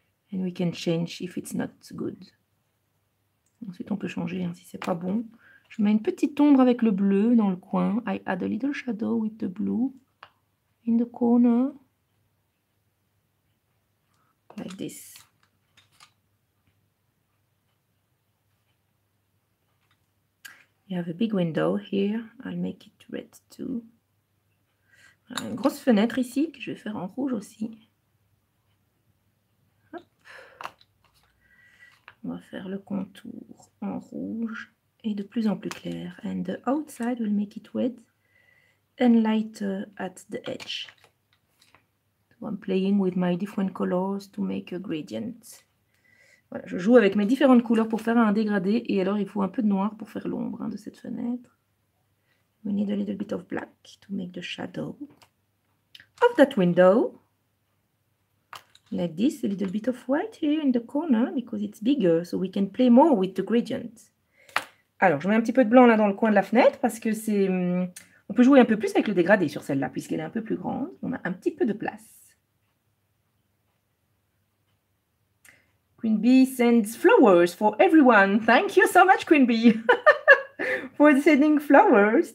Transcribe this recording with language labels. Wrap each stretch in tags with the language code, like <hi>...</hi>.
<en>And we can change if it's not good.</en> <fr>Ensuite, on peut changer hein, si c'est pas bon. Je mets une petite ombre avec le bleu dans le coin.</fr> <en>I add a little shadow with the blue in the corner. Like this. You have a big window here. I'll make it red too.</en> <fr>Une grosse fenêtre ici que je vais faire en rouge aussi. Hop. On va faire le contour en rouge et de plus en plus clair.</fr> <en>And the outside will make it red and lighter at the edge. So I'm playing with my different colors to make a gradient.</en> <fr>Voilà, je joue avec mes différentes couleurs pour faire un dégradé. Et alors, il faut un peu de noir pour faire l'ombre hein, de cette fenêtre.</fr> <en>We need a little bit of black to make the shadow of that window. Like this, a little bit of white here in the corner because it's bigger. So we can play more with the gradient.</en> <fr>Alors, je mets un petit peu de blanc là dans le coin de la fenêtre parce que c'est... On peut jouer un peu plus avec le dégradé sur celle-là puisqu'elle est un peu plus grande. On a un petit peu de place.</fr> <en>Queen Bee sends flowers for everyone. Thank you so much, Queen Bee, for sending flowers.</en>